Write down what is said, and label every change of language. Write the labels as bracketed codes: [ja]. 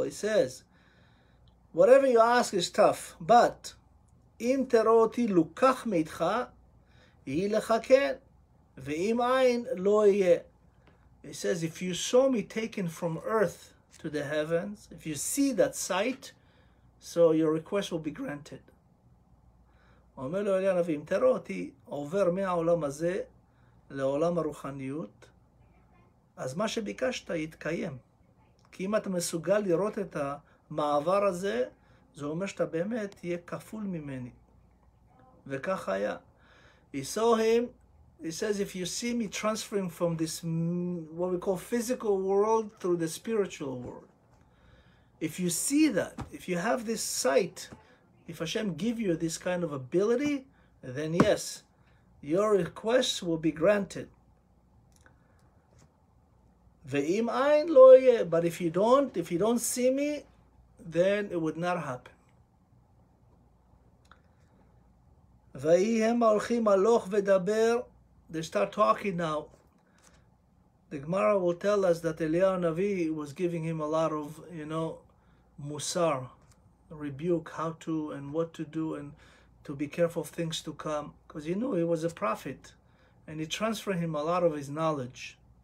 [en] He says, whatever you ask is tough, but [he] אם תראו אותי לוקח מאיתך, יהיה לך כן, ואם אין, לא יהיה. [en] He says, if you saw me taken from earth to the heavens, if you see that sight, so your request will be granted. [he] אומר לו אליהו הנביא, אם תראו אותי עובר מהעולם הזה לעולם הרוחניות, אז מה שביקשת יתקיים. כי אם אתה מסוגל לראות את המעבר הזה, זה אומר שאתה באמת תהיה כפול ממני. וכך היה. [en] He saw him, he says, if you see me transferring from this, what we call physical world, through the spiritual world. If you see that, if you have this sight, if Hashem give you this kind of ability, then yes, your request will be granted. [he] ואם אין לא יהיה, [en] but if you don't see me, then it would not happen. [he] ויהי הם הולכים הלוך ודבר, [en] they start talking now. The Gemara will tell us that Eliyahu Navi was giving him a lot of, you know, musar, rebuke, how to and what to do and to be careful of things to come. Because he knew he was a prophet and he transferred him a lot of his knowledge.